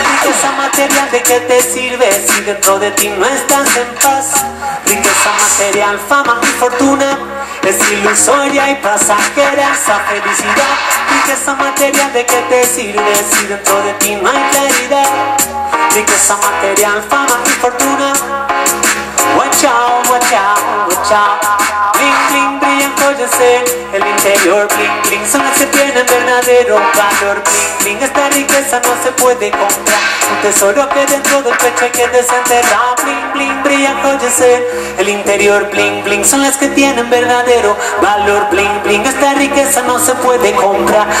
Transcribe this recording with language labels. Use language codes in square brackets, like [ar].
[es] Riqueza material, ¿de qué te sirve si dentro de ti no estás en paz? Riqueza material, fama y fortuna es ilusoria y pasajera esa felicidad. Riqueza material, ¿de qué te sirve si dentro de ti no hay claridad? Riqueza material, fama y fortuna. [en] Watch out, watch out, watch out. [es] Bling, bling, brillan, collecen el interior. Bling, bling, son las que tienen verdadero valor. Bling, bling, esta riqueza no se puede comprar. Un tesoro que dentro del pecho hay que desenterrar. Bling, bling, brillan, collecen el interior. Bling, bling, son las que tienen verdadero valor. Bling, bling, esta riqueza no se puede comprar.